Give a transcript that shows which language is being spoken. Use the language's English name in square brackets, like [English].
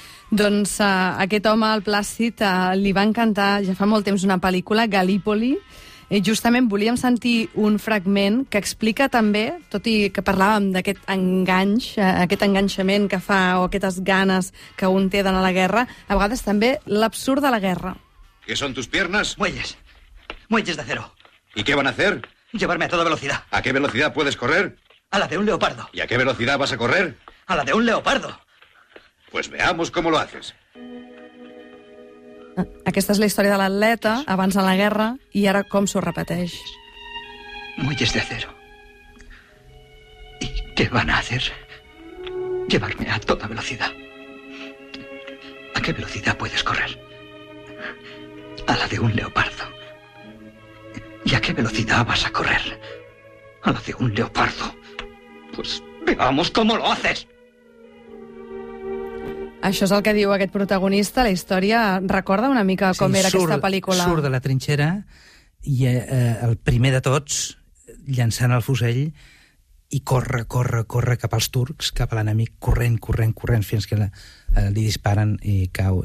[Catalan] Doncs aquest home, el Plàcid, li va encantar ja fa molt temps una pel·lícula, Gallipoli. I justament volíem sentir un fragment que explica també, tot i que parlàvem d'aquest enganx, aquest enganxament que fa o aquestes ganes que un té d'anar a la guerra, a vegades també l'absurd de la guerra. [Spanish] ¿Qué son tus piernas? Muelles. Muelles de acero. ¿Y qué van a hacer? Llevarme a toda velocidad. ¿A qué velocidad puedes correr? A la de un leopardo. ¿Y a qué velocidad vas a correr? A la de un leopardo. Pues veamos cómo lo haces. [Catalan] Aquesta és la història de l'atleta abans de la guerra i ara com s'ho repeteix. [Spanish] Muelles de acero. ¿Y qué van a hacer? Llevarme a toda velocidad. ¿A qué velocidad puedes correr? A la de un leopardo. ¿Y a qué velocidad vas a correr? A la de un leopardo. Pues veamos cómo lo haces. [Catalan] Això és el que diu aquest protagonista. La història recorda una mica com era aquesta pel·lícula. Surt de la trinxera i el primer de tots, llançant el fusell, i corre cap als turcs, cap a l'enemic, corrent, fins que li disparen i cau.